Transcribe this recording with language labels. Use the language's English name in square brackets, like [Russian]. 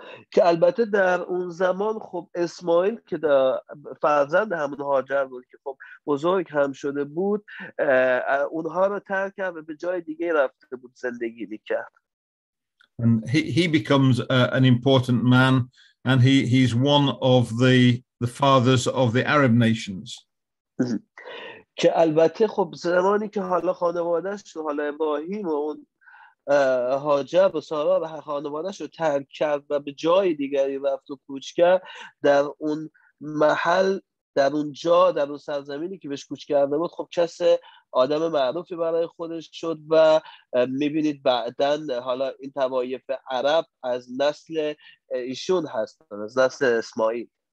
[Persian] که البته در اون زمان خب اسماعیل که در فرزند همون هاجر بود که خب بزرگ هم شده بود، اونها رو ترک کرد و به جای دیگه رفته بود زندگی می‌کرد. [English] And he becomes an important man, and he's one of the fathers of the Arab nations. [Persian] که البته خب زمانی که حالا خانواده‌اش، حالا ابراهیم و اون هاجر و سارا و خانواده‌اش رو ترک کرد و به جای دیگری رفت و کوچ کرد، در اون محل، در اون جا، در اون سرزمینی که بهش کوچ کرده بود، خب کس آدم معروفی برای خودش شد و میبینید بعدن حالا این طوایف عرب از نسل ایشون هستن، از نسل اسماعیل.